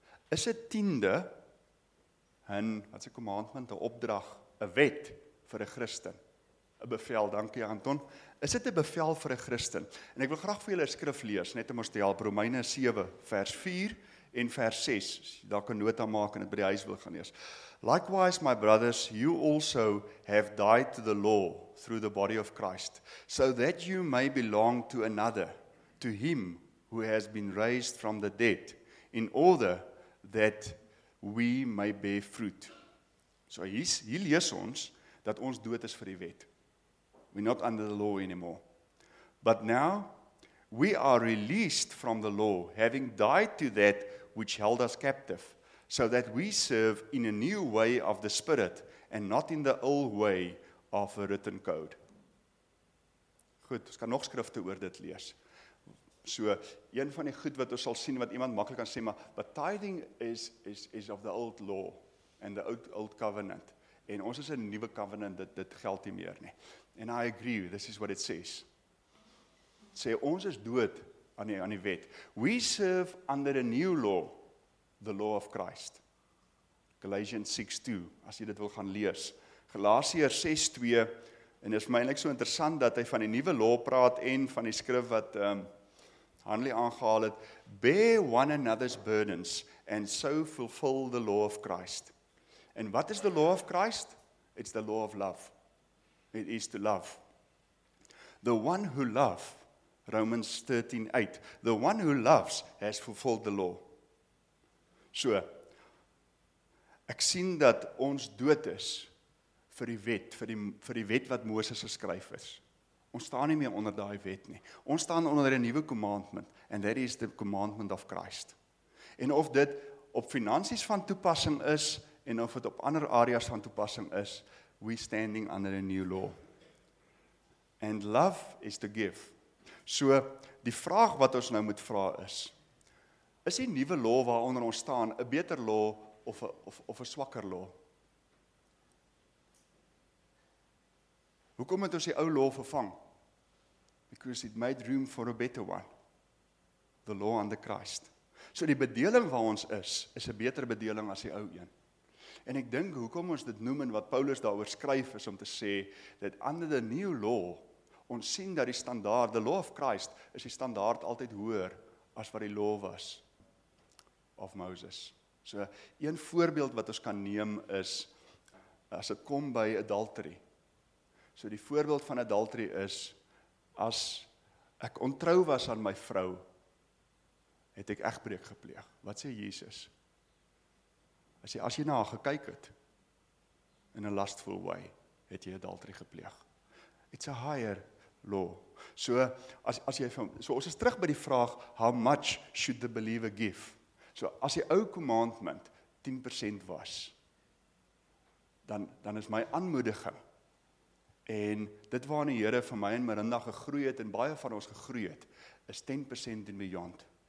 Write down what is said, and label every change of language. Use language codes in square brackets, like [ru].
[af] Is 'n tiende 'n wat 'n commandment, 'n opdrag, 'n wet vir 'n Christen? 'n Bevel, dankie Anton. Is dit 'n bevel vir 'n Christen? En ek wil graag vir julle 'n skrif lees, net om ons te help. Romeine 7 vers 4 en vers 6. As jy daar kan nota maak en dit by die huis wil gaan lees. [en] Likewise, my brothers, you also have died to the law through the body of Christ, so that you may belong to another, to him who has been raised from the dead, in order that we may bear fruit. [af] So hier lees ons dat ons dood is vir die wet. [en] We're not under the law anymore. But now, we are released from the law, having died to that which held us captive, so that we serve in a new way of the Spirit, and not in the old way of a written code. [af] Goed, ons kan nog skrifte oor dit lees. So, een van die goed wat ons sal sien, wat iemand maklik kan sê, maar, [en] but tithing is of the old law, and the old covenant. [af] En ons is 'n nuwe covenant, dit geld nie meer nie. [en] And I agree, this is what it says. It says, [af] ons is dood aan die wet. [en] We serve under a new law, the law of Christ. Galatians 6:2, [af] as jy dit wil gaan lees. Galasiërs 6:2, en dit is vir my eintlik so interessant dat hy van die nuwe law praat en van die skrif wat Hanlie aangehaal het. [en] Bear one another's burdens and so fulfill the law of Christ. And what is the law of Christ? It's the law of love. It is to love. The one who loves, Romans 13:8, the one who loves has fulfilled the law. [af] So, ek sien dat ons dood is vir die wet, vir die wet wat Moses geskryf het. Ons staan nie meer onder daai wet nie. Ons staan onder 'n nuwe commandment, [en] and that is the commandment of Christ. [af] En of dit op finansies van toepassing is en of dit op ander areas van toepassing is, [en] we standing under a new law. And love is to give. [af] So, die vraag wat ons nou moet vra is die nuwe law waaronder ons staan, 'n beter law of 'n swakker law? Hoekom het ons die ou law vervang? [en] Because it made room for a better one. The law under Christ. [af] So die bedeling waar ons is 'n beter bedeling as die ou een. En ek dink, hoekom ons dit noem en wat Paulus daar oor skryf is om te sê, dat [en] under the new law, [af] ons sien dat die standaard, [en] the law of Christ, [af] is die standaard altyd hoër as wat die law was of Moses. So, een voorbeeld wat ons kan neem is, as het kom by adultery. So, die voorbeeld van adultery is, as ek ontrou was aan my vrou, het ek egbreek gepleeg. Wat sê Jesus? Hy sê, as jy na haar gekyk het, in 'n lustful way, het jy adultery gepleeg. [en] It's a higher law. [af] So, as jy, so ons is terug by die vraag, [en] how much should the believer give? [af] So, as die ou commandment 10% was, dan is my aanmoediging, en dit waar die Here vir my en Marinda gegroei het, en baie van ons gegroei het, is 10% en beyond.